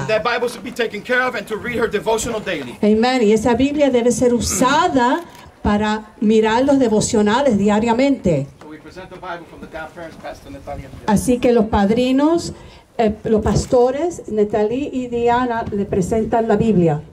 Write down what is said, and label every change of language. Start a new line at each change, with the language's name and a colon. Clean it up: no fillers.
English: And that Bible should be taken care of and to read her devotional daily. Amen.
Spanish: Y esa Biblia debe ser usada para mirar los devocionales diariamente.
English: So we present the Bible from the grandparents, Pastor Natalia.
Spanish: Así que los padrinos, los pastores, Natalie y Diana, le presentan la Biblia.